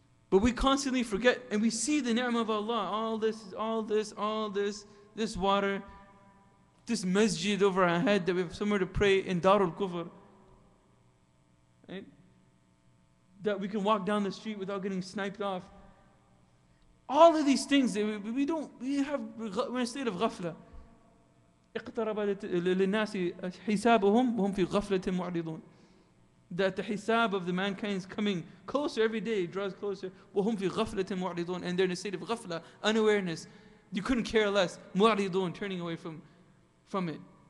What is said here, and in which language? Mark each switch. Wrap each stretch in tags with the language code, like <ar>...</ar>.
<en>But we constantly forget, and we see the ni'mah of Allah. All this, this water, this masjid over our head that we have somewhere to pray in Darul Kufr. Right? That we can walk down the street without getting sniped off. All of these things, we're in a state of ghafla.</en> <ar>اقتربت للناس حسابهم وهم في غفلة معرضون.</ar> <en>That the hisab of the mankind is coming closer every day, draws closer.</en> <ar>وهم في غفلة معرضون.</ar> <en>And they're in a state of غفلة, unawareness. You couldn't care less. معرضون, turning away from it.</en>